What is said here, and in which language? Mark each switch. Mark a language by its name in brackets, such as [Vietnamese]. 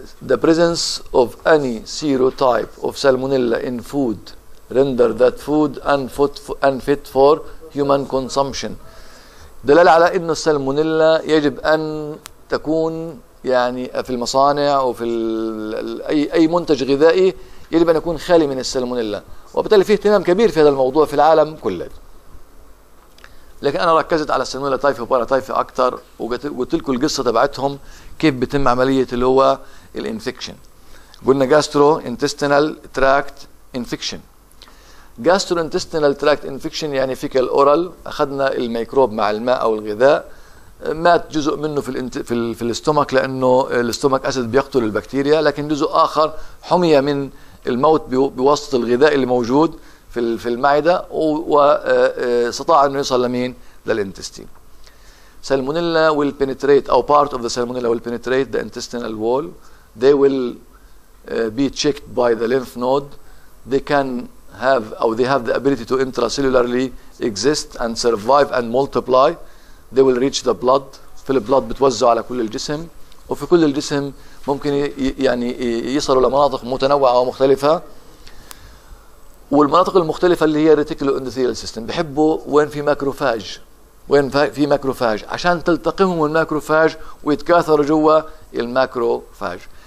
[English] The presence of any serotype of salmonella in food render that food unfit for human consumption. [Arabic] دلالة على إنه السلمونيلا يجب أن تكون يعني في المصانع أو في أي منتج غذائي يجب أن يكون خالي من السلمونيلا، وبالتالي فيه اهتمام كبير في هذا الموضوع في العالم كله. لكن أنا ركزت على السلمونيلا تايفي وبارا تايفي أكثر، وقلت لكم القصة تبعتهم كيف بتم عملية اللي هو الانفكشن. قلنا جاسترو انتستينال تراكت انفكشن. Gastrointestinal tract infection يعني fecal oral، أخذنا الميكروب مع الماء أو الغذاء، مات جزء منه في الاستومك لأنه الاستومك أسد بيقتل البكتيريا، لكن جزء آخر حمي من الموت بواسطة الغذاء اللي موجود في المعدة، واستطاع أنه يصل لمين؟ للإنتستين. [English] Salmonella will penetrate أو part of the salmonella will penetrate the intestinal wall. They will be checked by the lymph node. They can have or they have the ability to intracellularly exist and survive and multiply. They will reach the blood. [Arabic] في البلد بتوزع على كل الجسم، وفي كل الجسم ممكن يعني يصلوا لمناطق متنوعة ومختلفة، والمناطق المختلفة اللي هي reticular endothelial system بحبوا وين في ماكروفاج، وين في ماكروفاج عشان تلتقمهم الماكروفاج ويتكاثروا جوا الماكروفاج.